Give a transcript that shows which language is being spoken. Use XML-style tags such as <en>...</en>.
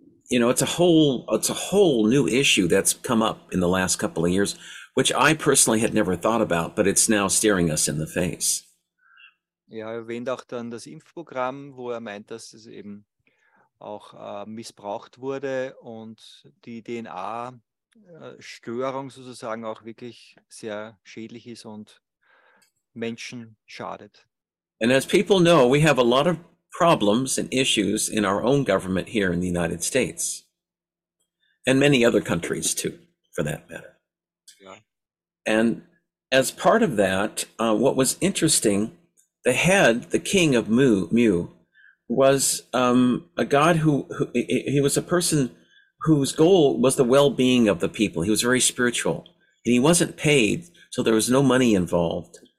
<en>It's a whole new issue that's come up in the last couple of years, which I personally had never thought about, but it's now staring us in the face.</en> <de>Ja, er erwähnt auch dann das Impfprogramm, wo er meint, dass es eben auch missbraucht wurde und die DNA-Störung sozusagen auch wirklich sehr schädlich ist und Menschen schadet.</de> <en>And as people know, we have a lot of problems and issues in our own government here in the United States and many other countries too, for that matter. And as part of that, what was interesting, the head, the king of Mu, was a god who was a person whose goal was the well-being of the people. He was very spiritual, and he wasn't paid, so there was no money involved.</en>